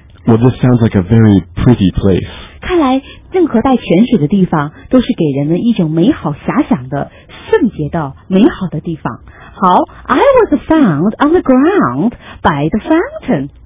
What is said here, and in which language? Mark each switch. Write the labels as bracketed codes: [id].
[en] Well, this sounds like a very pretty place。 [zh] 看来任何带泉水的地方都是给人们一种美好遐想的。圣洁的美好的地方。 [en] 好， I was found on the ground by the fountain